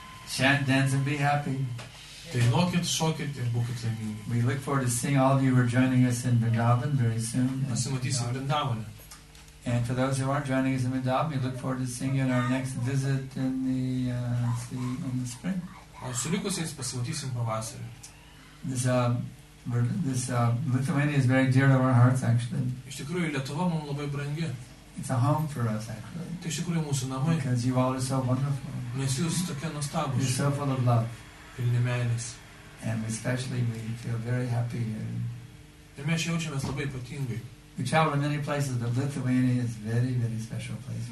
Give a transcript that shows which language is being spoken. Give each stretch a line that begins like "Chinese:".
English: Chant, dance, and be happy.
Lithuanian: Dainuokit, šokit ir būkit laimingi.
English: We look forward to seeing all of you who are joining us in Vrindavan very soon.
Lithuanian: Pasimatysim Vrindavane.
English: And for those who aren't joining us in Vrindavan, we look forward to seeing you in our next visit in the spring.
Lithuanian: O su likusiais pasimatysim pavasarį.
English: This Lithuania is very dear to our hearts, actually.
Lithuanian: Iš tikrųjų, Lietuva mums labai brangi.
English: It's a home for us, actually.
Lithuanian: Tai iš tikrųjų mūsų namai.
English: Because you all are so wonderful.
Lithuanian: Nes jūs tokie nuostabūs.
English: You're so full of love. And especially we feel very happy here. We travel in many places, but Lithuania is a very, very special place.